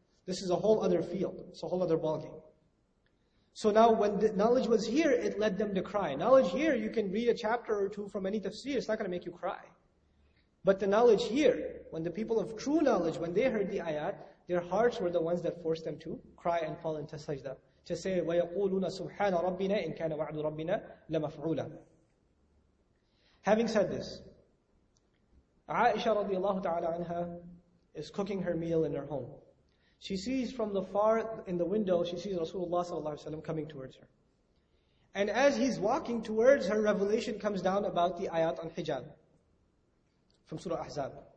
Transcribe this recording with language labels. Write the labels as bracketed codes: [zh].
[en] This is a whole other field, it's a whole other ballgame. So now when the knowledge was here, it led them to cry. Knowledge here, you can read a chapter or two from any tafsir, it's not going to make you cry. But the knowledge here, when the people of true knowledge, when they heard the ayat, their hearts were the ones that forced them to cry and fall into sajda. To say, [ar] وَيَقُولُونَ سُبْحَانَ رَبِّنَا إِنْ كَانَ وَعْدُ رَبِّنَا لَمَفْعُولًا. [en] Having said this, Aisha radiallahu ta'ala anha is cooking her meal in her home. She sees from the far, in the window, she sees Rasulullah sallallahu alayhi wa sallam coming towards her. And as he's walking towards her, revelation comes down about the ayat on hijab from Surah Ahzab.